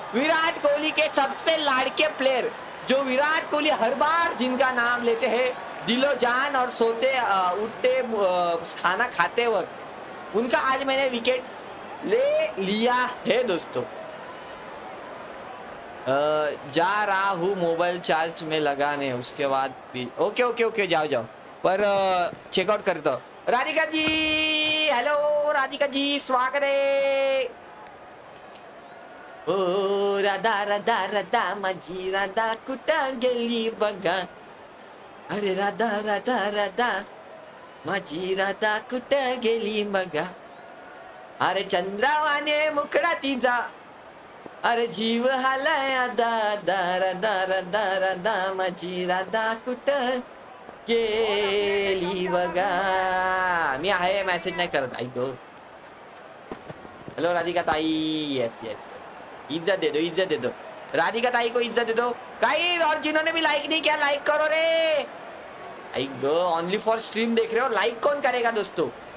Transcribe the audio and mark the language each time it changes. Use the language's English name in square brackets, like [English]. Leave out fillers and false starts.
[Hindi] विराट कोहली के सबसे लाड़के प्लेयर, जो विराट कोहली हर बार जिनका नाम लेते हैं दिलो जान और सोते उठते खाना खाते वक्त, उनका आज मैंने विकेट ले लिया है दोस्तों. जा रहा हूँ मोबाइल चार्ज में लगाने, उसके बाद भी ओके ओके ओके जाओ जाओ, पर चेकआउट करता हूँ. राधिका जी हेलो, राधिका जी स्वागत है. [Marathi] ओ राधा राधा राधा माझी राधा कुठे गेली बघा. अरे राधा राधा राधा माझी राधा कुठे गेली बघा. अरे चंद्रावाने मुकडा तिचा. अरे जीव हालाय दादा राधा राधा राधा माझी राधा कुठे गेली बघा. मी आहे मेसेज नाही करत आई गो. [Hindi] हॅलो राधिका ताई, येस येस इज्जत दे दो, इज्जत दे दो राधिका ताई को, इज्जत दे दो. काही और जिन्होंने भी लाइक नहीं किया लाइक करो रे. आई गो ओनली फॉर स्ट्रीम देख रहे हो, लाइक कौन करेगा दोस्तों.